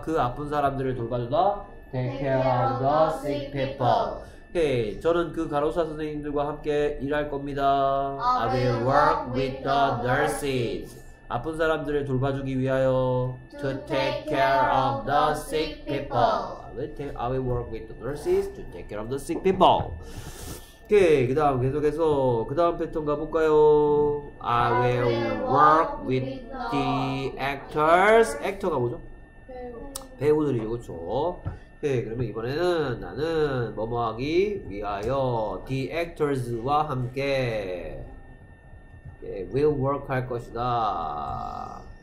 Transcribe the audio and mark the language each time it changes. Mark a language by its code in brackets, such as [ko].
[ko] 그 아픈 사람들을 돌봐주다 [en] take care of the sick people [ko] 오케이. 저는 그 간호사 선생님들과 함께 일할 겁니다. [en] I will work with the nurses. [ko] 아픈 사람들을 돌봐주기 위하여. [en] To take care of the sick people. I will work with the nurses to take care of the sick people. [ko] 오케이. 그 다음 계속해서 그 다음 패턴 가볼까요? [en] I will work with the actors. [ko] 액터가 뭐죠? 배우들이요. 그렇죠. 네, 그러면 이번에는 나는 뭐뭐하기 위하여 [en] the actors [ko] 와 함께 네, [en] will work [ko] 할 것이다.